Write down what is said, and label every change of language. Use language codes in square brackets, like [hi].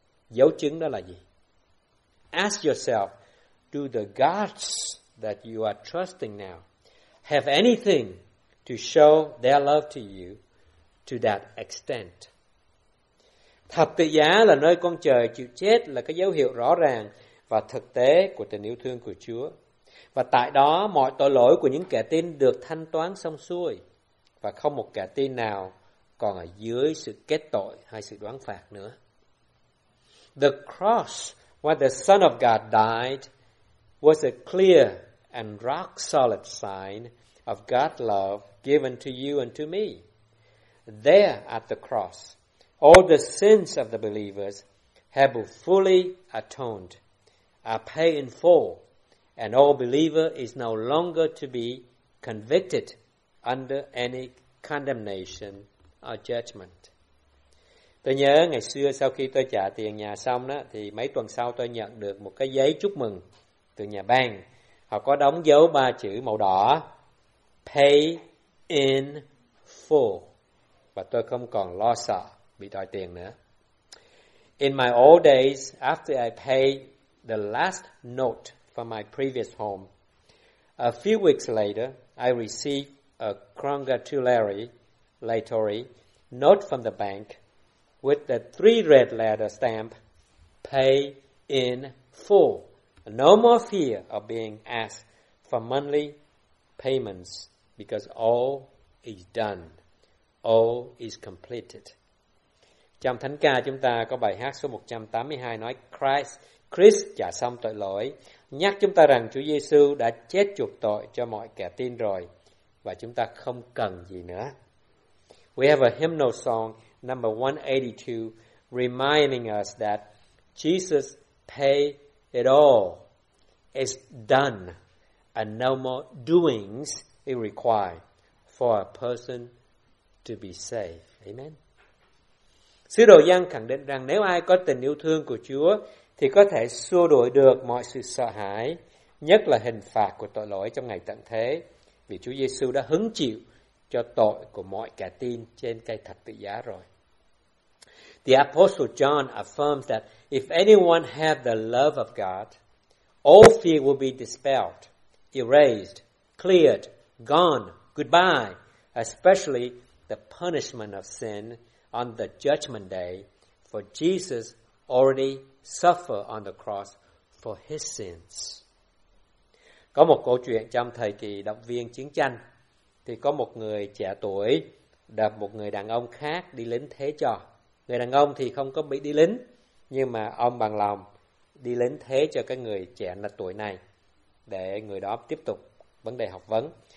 [vi] Dấu chứng đó là gì? [en] Ask yourself, do the gods that you are trusting now have anything to show their love to you to that extent? [vi] Thập tự giá là nơi con trời chịu chết là cái dấu hiệu rõ ràng và thực tế của tình yêu thương của Chúa. Và tại đó mọi tội lỗi của những kẻ tin được thanh toán xong xuôi và không một kẻ tin nào còn ở dưới sự kết tội hay sự đoán phạt nữa. [en] The cross where the Son of God died was a clear and rock solid sign of God's love given to you and to me. There at the cross, all the sins of the believers have been fully atoned, are paid in full, and all believer is no longer to be convicted under any condemnation or judgment. [vi] Tôi nhớ ngày xưa sau khi tôi trả tiền nhà xong đó, thì mấy tuần sau tôi nhận được một cái giấy chúc mừng từ nhà bang. Họ có đóng dấu ba chữ màu đỏ, [en] pay in full, [vi] và tôi không còn lo sợ bị đòi tiền nữa. [en] In my old days, after I paid the last note for my previous home, a few weeks later, I received a congratulatory note from the bank with the three red letter stamp, pay in full. No more fear of being asked for monthly payments because all is done. All is completed. [vi] Trong thánh ca chúng ta có bài hát số 182 nói Christ trả xong tội lỗi, nhắc chúng ta rằng Chúa Giêsu đã chết chuộc tội cho mọi kẻ tin rồi và chúng ta không cần gì nữa. [en] We have a hymnal song number 182 reminding us that Jesus paid it all. It's done and no more doings is required for a person to be saved. Amen. [vi] Sứ đồ Giăng khẳng định rằng nếu ai có tình yêu thương của Chúa thì có thể xua đuổi được mọi sự sợ hãi, nhất là hình phạt của tội lỗi trong ngày tận thế, vì Chúa Giêsu đã hứng chịu cho tội của mọi kẻ tin trên cây thập tự giá rồi. [en] The Apostle John affirms that if anyone have the love of God, all fear will be dispelled, erased, cleared, gone, goodbye, especially the punishment of sin on the judgment day, for Jesus already suffered on the cross for his sins. [vi] Có một câu chuyện trong thời kỳ động viên chiến tranh, thì có một người trẻ tuổi đập một người đàn ông khác đi lính thế cho. Người đàn ông thì không có bị đi lính, nhưng mà ông bằng lòng đi lính thế cho cái người trẻ là tuổi này để người đó tiếp tục vấn đề học vấn.